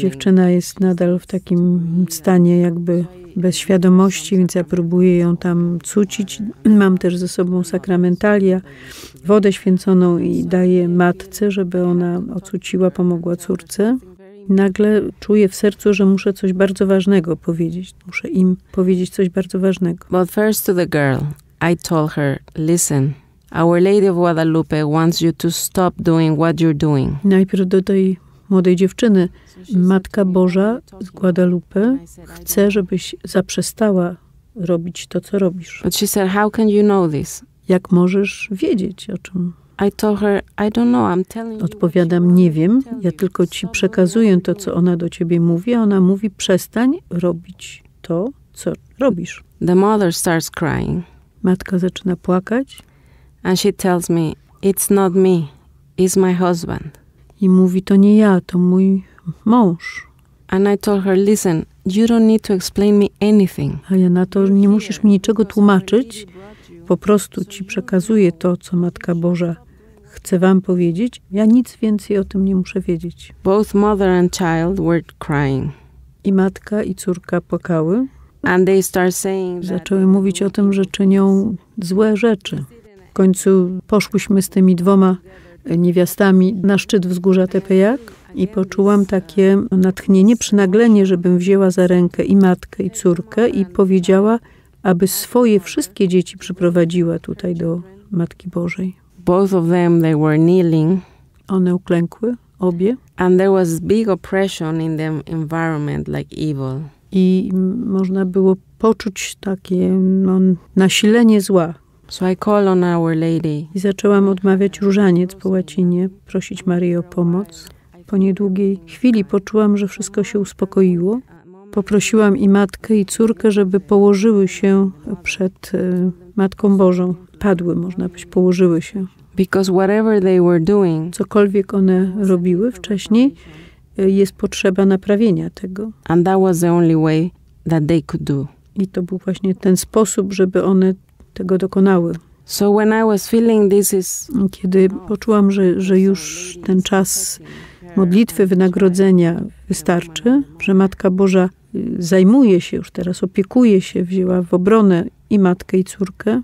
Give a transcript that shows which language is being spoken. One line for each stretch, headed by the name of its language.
Polish: Dziewczyna jest nadal w takim stanie jakby bez świadomości, więc ja próbuję ją tam cucić. Mam też ze sobą sakramentalia, wodę święconą i daję matce, żeby ona ocuciła, pomogła córce. I nagle czuję w sercu, że muszę coś bardzo ważnego powiedzieć. Muszę im powiedzieć coś bardzo ważnego.
English: But first to the girl, I told her, listen, Our Lady of Guadalupe wants you to stop doing what you're doing.
Polish: Najpierw do tej młodej dziewczyny. Matka Boża z Guadalupe chce, żebyś zaprzestała robić to, co robisz.
English: But she said, how can you know this?
Polish: Jak możesz wiedzieć o czym?
English: I told her, I don't know, I'm telling you.
Polish: Odpowiadam, nie wiem, ja tylko ci przekazuję to, co ona do ciebie mówi. Ona mówi, przestań robić to, co robisz.
English: The mother starts crying.
Polish: Matka zaczyna płakać.
English: And she tells me, it's not me, it's my husband.
Polish: I mówi, to nie ja, to mój mąż.
English: And I told her, listen, you don't need to explain me anything.
Polish: A ja na to, nie musisz mi niczego tłumaczyć. Po prostu ci przekazuję to, co Matka Boża chce wam powiedzieć. Ja nic więcej o tym nie muszę wiedzieć.
English: Both mother and child were crying.
Polish: I matka, i córka płakały.
English: And they start saying that
Polish: zaczęły mówić o tym, że czynią złe rzeczy. W końcu poszłyśmy z tymi dwoma niewiastami na szczyt wzgórza Tepeyac i poczułam takie natchnienie, przynaglenie, żebym wzięła za rękę i matkę, i córkę i powiedziała, aby swoje wszystkie dzieci przyprowadziła tutaj do Matki Bożej.
English: Both of them, they were kneeling.
Polish: One uklękły, obie.
English: And there was big oppression in the environment, like evil.
Polish: I można było poczuć takie no, nasilenie zła.
English: So I call on Our Lady.
Polish: I zaczęłam odmawiać różaniec po łacinie, prosić Maryję o pomoc. Po niedługiej chwili poczułam, że wszystko się uspokoiło. Poprosiłam i matkę, i córkę, żeby położyły się przed Matką Bożą. Padły, można powiedzieć, położyły się.
English: Because whatever they were doing,
Polish: cokolwiek one robiły wcześniej, jest potrzeba naprawienia tego.
English: And that was the only way that they could do.
Polish: I to był właśnie ten sposób, żeby one tego dokonały.
English: So when I was feeling this is...
Polish: Kiedy poczułam, że już ten czas modlitwy, wynagrodzenia wystarczy, że Matka Boża zajmuje się już teraz, opiekuje się, wzięła w obronę i matkę, i córkę.